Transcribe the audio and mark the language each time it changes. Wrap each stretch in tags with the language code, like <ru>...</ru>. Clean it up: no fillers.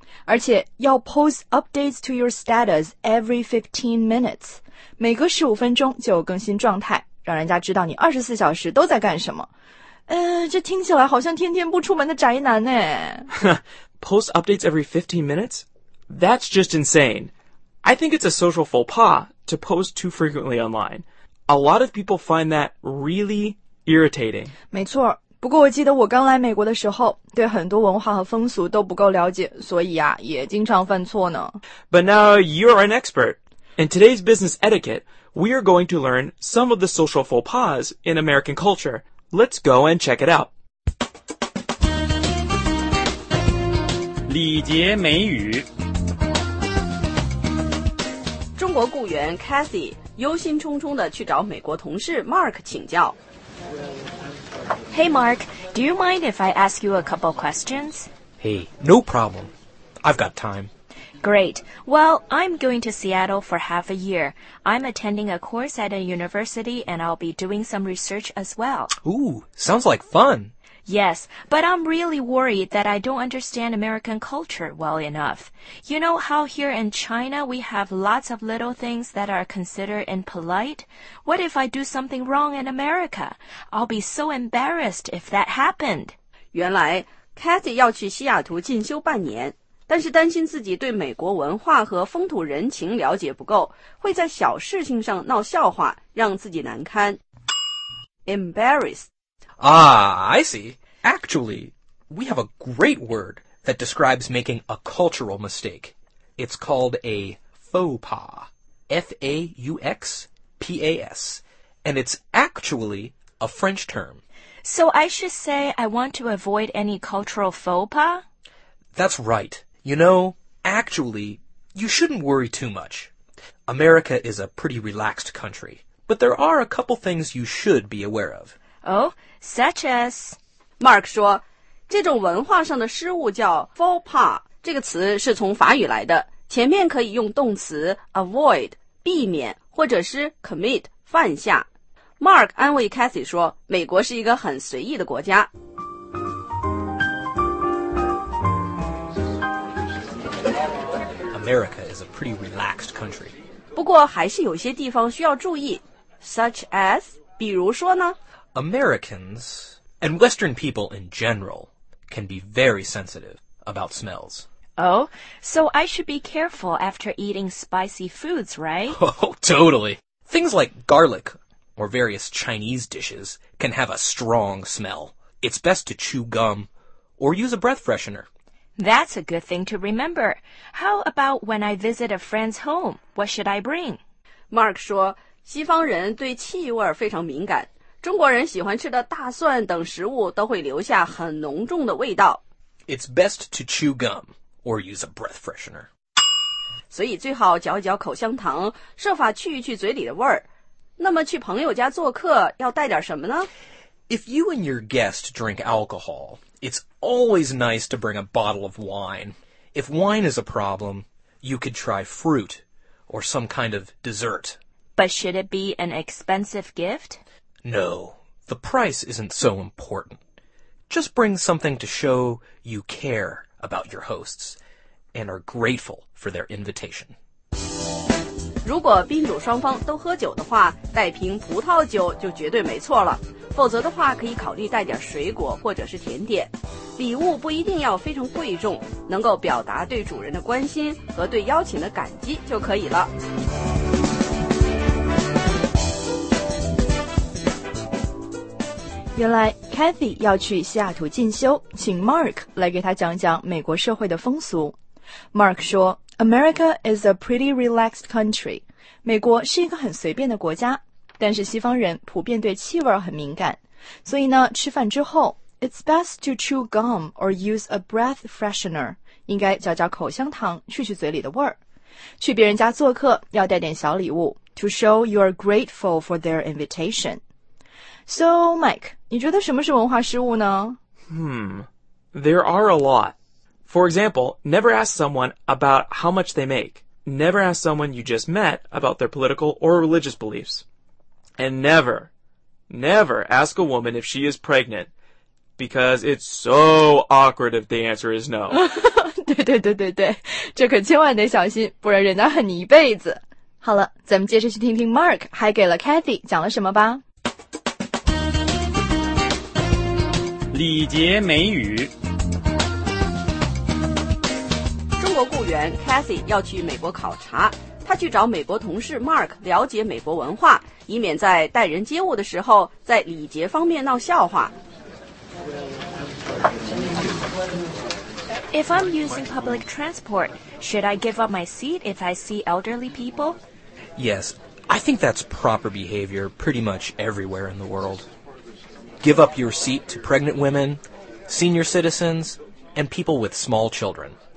<zh>而且要</zh> <en>post updates to your status every 15 minutes,</en> <zh>每隔15分钟就更新状态，让人家知道你24小时都在干什么。这听起来好像天天不出门的宅男呢。</zh> <en>Post updates every 15 minutes? That's just insane. I think it's a social faux pas to post too frequently online. A lot of people find that really irritating.</en> <zh>没错。不过我记得我刚来美国的时候，对很多文化和风俗都不够了解，所以啊，也经常犯错呢。</zh> <en>But now you're an expert. In today's business etiquette, we are going to learn some of the social faux pas in American culture. Let's go and check it out.</en> <zh>礼节美语。中国雇员 Cathy 忧心忡忡地去找美国同事 Mark 请教。</zh> <en>Hey, Mark, do you mind if I ask you a couple questions? Hey, no problem. I've got time. Great. Well, I'm going to Seattle for half a year. I'm attending a course at a university, and I'll be doing some research as well. Ooh, sounds like fun. Yes, but I'm really worried that I don't understand American culture well enough. You know how here in China we have lots of little things that are considered impolite? What if I do something wrong in America? I'll be so embarrassed if that happened.</en> <zh>原来 Cathy 要去西雅图进修半年，但是担心自己对美国文化和风土人情了解不够，会在小事情上闹笑话，让自己难堪。</zh> <en>Embarrassed. Ah, I see. Actually, we have a great word that describes making a cultural mistake. It's called a faux pas. F-A-U-X-P-A-S. And it's actually a French term. So I should say I want to avoid any cultural faux pas? That's right. You know, actually, you shouldn't worry too much. America is a pretty relaxed country. But there are a couple things you should be aware of. Oh, such as...</en> <zh>Mark 说，这种文化上的失误叫 faux pas, 这个词是从法语来的，前面可以用动词 avoid, 避免，或者是 commit, 犯下。 Mark 安慰 Cathy 说，美国是一个很随意的国家。</zh> <en>America is a pretty relaxed country.</en> <zh>不过还是有些地方需要注意，</zh> <en>such as,</en> <zh>比如说呢？</zh> <en>Americans, and Western people in general, can be very sensitive about smells. Oh, so I should be careful after eating spicy foods, right? Oh, totally. Things like garlic or various Chinese dishes can have a strong smell. It's best to chew gum or use a breath freshener. That's a good thing to remember. How about when I visit a friend's home? What should I bring?</en> <zh>Mark 说，西方人对气味非常敏感。中国人喜欢吃的大蒜等食物都会留下很浓重的味道。</zh> <en>It's best to chew gum or use a breath freshener.</en> <zh>所以最好嚼一嚼口香糖，设法去一去嘴里的味儿。那么去朋友家做客要带点什么呢？</zh> <en>If you and your guest drink alcohol, it's always nice to bring a bottle of wine. If wine is a problem, you could try fruit or some kind of dessert. But should it be an expensive gift? No, the price isn't so important. Just bring something to show you care about your hosts and are grateful for their invitation.</en> <zh>如果宾主双方都喝酒的话，带瓶葡萄酒就绝对没错了。否则的话，可以考虑带点水果或者是甜点。礼物不一定要非常贵重，能够表达对主人的关心和对邀请的感激就可以了。原来 Cathy 要去西雅图进修，请 Mark 来给他讲讲美国社会的风俗。</zh> <en>Mark 说 ,America is a pretty relaxed country.</en> <zh>美国是一个很随便的国家，但是西方人普遍对气味很敏感。所以呢，吃饭之后</zh> <en>,it's best to chew gum or use a breath freshener.</en> <zh>应该嚼嚼口香糖，去去嘴里的味儿。去别人家做客要带点小礼物</zh> <en>,to show you are grateful for their invitation. So,</en> <zh>Mike, 你觉得什么是文化失误呢？</zh> <en>There are a lot. For example, never ask someone about how much they make. Never ask someone you just met about their political or religious beliefs. And never, never ask a woman if she is pregnant, because it's so awkward if the answer is no.</en> <zh>对对对对对，这可千万得小心，不然人家恨你一辈子。好了，咱们接着去听听 Mark 还给了 Cathy 讲了什么吧。礼节美语。中国雇员 Cathy 要去美国考察，他去找美国同事 Mark 了解美国文化，以免在待人接物的时候在礼节方面闹笑话。</zh> <en>If I'm using public transport, should I give up my seat if I see elderly people? Yes, I think that's proper behavior pretty much everywhere in the world. Give up your seat to pregnant women, senior citizens, and people with small children.</en>